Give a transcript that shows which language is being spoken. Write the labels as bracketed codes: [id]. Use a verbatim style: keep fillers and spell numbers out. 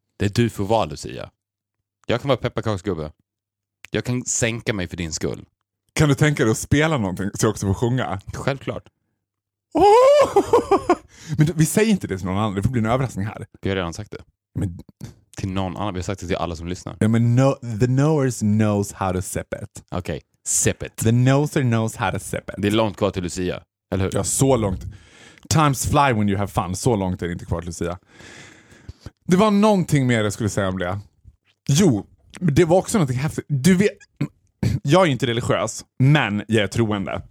[sv] Där du får vara Lucia. Jag kan vara pepparkaksgubbe. Jag kan sänka mig för din skull. Kan du tänka dig att spela någonting så jag också får sjunga? Självklart. Oh! Men vi säger inte det till någon annan. Det får bli en överraskning här. Vi har redan sagt det. Men... till någon annan. Vi har sagt det till alla som lyssnar. Ja, men [en] no, the knowers knows how to sip it. [sv] Okej, [en] okay. Sip it. The knower knows how to sip it. [sv] Det är långt kvar till Lucia, eller hur? Ja, så långt. [en] Times fly when you have fun. [sv] Så långt är det inte kvar till Lucia. Det var någonting mer jag skulle säga om det. Jo, det var också någonting häftigt. Du vet... jag är ju inte religiös, men jag är troende.